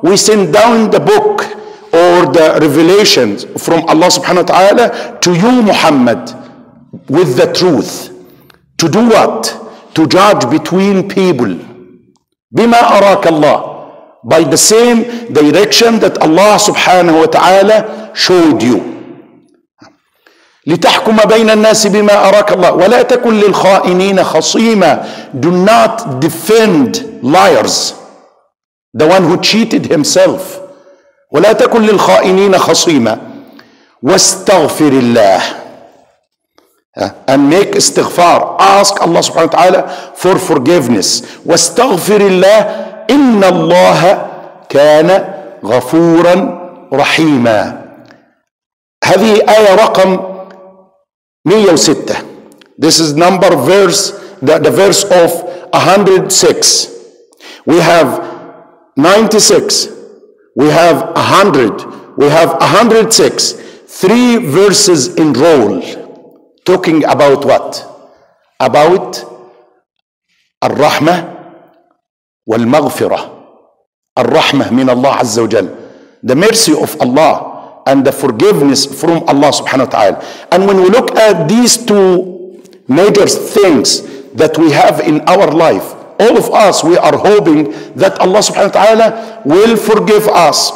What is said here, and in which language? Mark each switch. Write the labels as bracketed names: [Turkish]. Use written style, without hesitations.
[English] We send down the book or the revelations from Allah subhanahu wa ta'ala to you Muhammad with the truth. To do what? To judge between people. [Arabic] Bima araka Allah. [English] By the same direction that Allah subhanahu wa ta'ala showed you. [Arabic] لتحكم بين الناس بما أراك الله ولا تكن للخائنين خصيما. [English] Do not defend liars. The one who cheated himself. [Arabic] ولا تكن للخائنين خصيما. واستغفر الله. [English] And make استغفار. Ask Allah subhanahu wa ta'ala for forgiveness. [Arabic] واستغفر الله. إن الله كان غفورا رحيما. هذه آية رقم 106. [English] This is number verse, the verse of 106. We have 96. We have 100. We have 106. Three verses in roll. Talking about what? [Arabic] About الرحمة والمغفرة. الرحمة من الله عز وجل. [English] The mercy of Allah and the forgiveness from Allah سبحانه وتعالى. And when we look at these two major things that we have in our life, all of us, we are hoping that Allah subhanahu wa ta'ala will forgive us.